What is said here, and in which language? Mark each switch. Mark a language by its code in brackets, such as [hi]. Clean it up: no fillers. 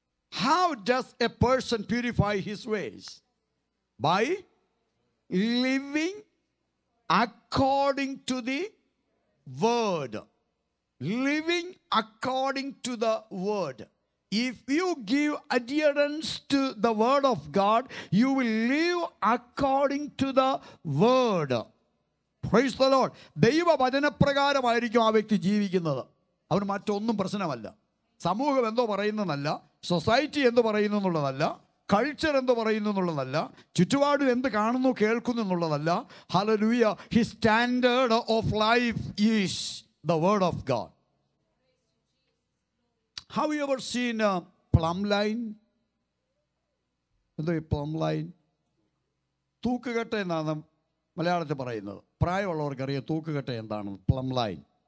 [en] How does a person purify his ways? By living according to the word. Living according to the word. If you give adherence to the word of God, you will live according to the word. Praise the Lord. [ml] ദൈവവചനപ്രകാരമായിരിക്കും ആ വ്യക്തി ജീവിക്കുന്നത്. അവന് മറ്റൊന്നും പ്രശ്നമല്ല. സമൂഹം എന്തോ പറയുന്നതല്ല, society എന്ത് പറയുന്നു എന്നുള്ളതല്ല, കൾച്ചർ എന്ത് പറയുന്നു എന്നുള്ളതല്ല, ചുറ്റുപാടും എന്ത് കാണുന്നു കേൾക്കുന്നു എന്നുള്ളതല്ല. Hallelujah. [en] His standard of life is the word of God. Have you ever seen a plumb line? [ml] എന്തോ ഈ പ്ലംബ് ലൈൻ തൂക്കുകെട്ട എന്നാണ് മലയാളത്തിൽ പറയുന്നത്. പ്രായമുള്ളവർക്കറിയാം തൂക്കുകെട്ട എന്താണ് പ്ലംബ് ലൈൻ.